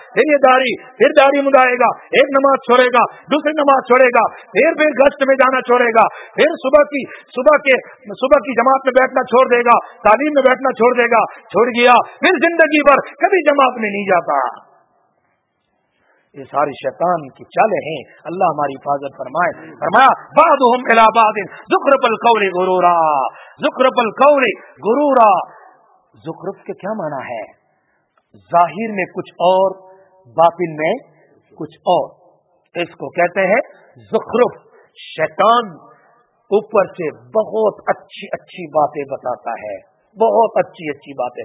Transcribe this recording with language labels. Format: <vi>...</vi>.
<ur>پھر یہ داڑھی، پھر داڑھی منڈائے گا، ایک نماز چھوڑے گا، دوسری نماز چھوڑے گا، پھر گشت میں جانا چھوڑے گا، پھر صبح کی جماعت میں بیٹھنا چھوڑ دے گا، تعلیم میں بیٹھنا چھوڑ دے گا. چھوڑ گیا پھر زندگی بھر کبھی جماعت میں نہیں جاتا. یہ ساری شیطان کی چالیں ہیں، اللہ ہماری حفاظت فرمائے.</ur> <ar>فرمایا بعضهم الى بعض زخرف القول غرورا، زخرف القول غرورا.</ar> <ur>زخرف کے کیا معنی ہے؟ ظاہر میں کچھ اور، باطن میں کچھ اور. اس کو کہتے ہیں زخرف. شیطان اوپر سے بہت اچھی اچھی باتیں بتاتا ہے، بہت اچھی اچھی باتیں.</ur>